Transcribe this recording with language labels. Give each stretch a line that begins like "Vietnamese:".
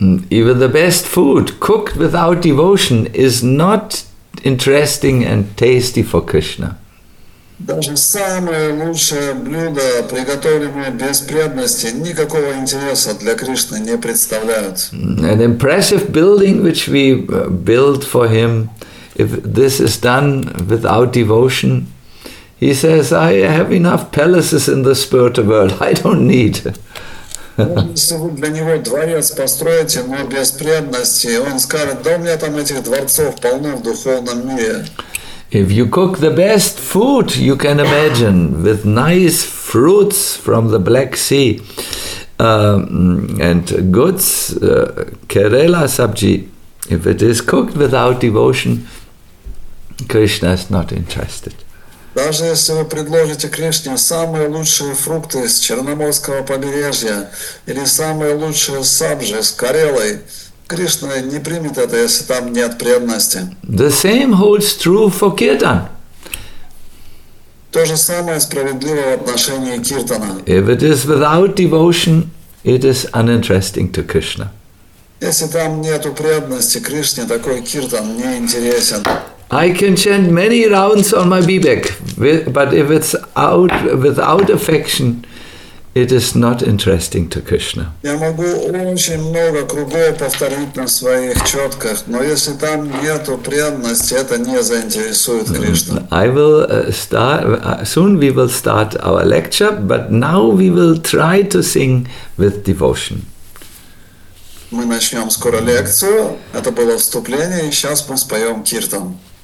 English: Even the best food cooked without devotion is not interesting and tasty for Krishna.
Russian: Даже самое лучшее блюдо, приготовленное без преданности, никакого интереса для Кришны не представляют.
English: An impressive building which we build for him, if this is done without devotion, he says, I have enough palaces in the spiritual world, I don't need.
Russian: Если вы для него дворец построите, но без преданности, он скажет, да у меня там этих дворцов полно в духовном мире.
English: If you cook the best food you can imagine with nice fruits from the Black Sea and goods, Kerala sabji, if it is cooked without devotion, Krishna is not interested.
Russian: Даже если вы предложите Кришне самые лучшие фрукты с Черноморского побережья или самые лучшие сабжи с Карелой, Кришна не примет это, если там нет преданности.
English: The same holds true for kirtan.
Russian: То же самое справедливо в отношении киртана.
English: If it is without devotion, it is uninteresting to Krishna.
Russian: Если там нету преданности Кришне, такой киртан не интересен.
English: I can chant many rounds on my bebek, but if it's out without affection, it is not interesting to Krishna.
Russian: Я могу очень много кругов повторить на своих четках, но если там нету преданности, это не заинтересует Кришну.
English: I will start. Soon we will start our lecture, but now we will try to sing with devotion.
Russian: Мы начнем скоро лекцию. Это было вступление, и сейчас мы споем киртан.